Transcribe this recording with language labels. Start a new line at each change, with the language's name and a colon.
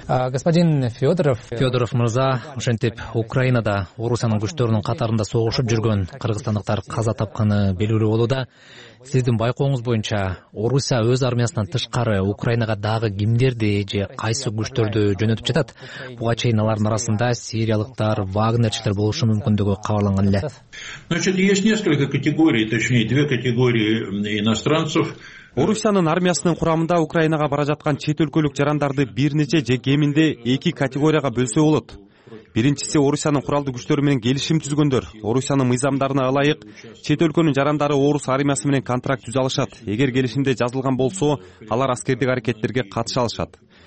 Russian: Господин Федоров,
Kyrgyz: Федоров мырза, ошентип Украинада Орусиянын күчтөрүнүн катарында согушуп жүргөн кыргызстандыктар каза тапканы белгилүү болууда. Сиздин байкооңуз боюнча Орусия өз армиясынан тышкары Украинага дагы кимдерди же кайсы күчтөрдү жөнөтүп жатат? Буга чейин алардын арасында сириялыктар, вагнерчилер болушу мүмкүндүгү кабарланган эле.
Russian: Значит, есть несколько категорий, точнее, две категории иностранцев.
Kyrgyz: Орусиянын армиясынын курамында Украинага бара жаткан чет өлкөлүк жарандарды бир нече же кеминде эки категорияга бөлсө болот. Биринчиси Орусиянын куралдуу күчтөрү менен келишим түзгөндөр. Орусиянын мыйзамдарына ылайык чет өлкөнүн жарандары Орус армиясы менен контракт түзө алышат. Эгер келишимде жазылган болсо, алар аскердик аракеттерге катыша алышат.